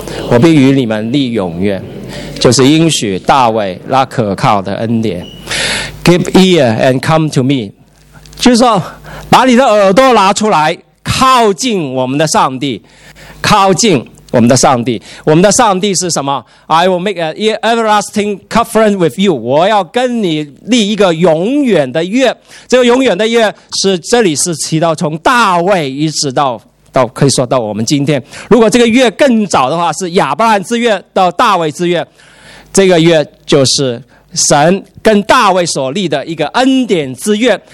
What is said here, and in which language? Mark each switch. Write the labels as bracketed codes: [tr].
[zh] 我必与你们立永约，就是应许大卫那可靠的恩典。 [en] Give ear and come to me， [zh] 就是说，把你的耳朵拿出来，靠近我们的上帝，靠近我们的上帝。我们的上帝是什么 ？ [en] I will make an everlasting covenant with you。 [zh] 我要跟你立一个永远的约。这个永远的约是这里是提到从大卫一直到可以说到我们今天。如果这个约更早的话，是亚伯兰之约到大卫之约。这个约就是神跟大卫所立的一个恩典之约。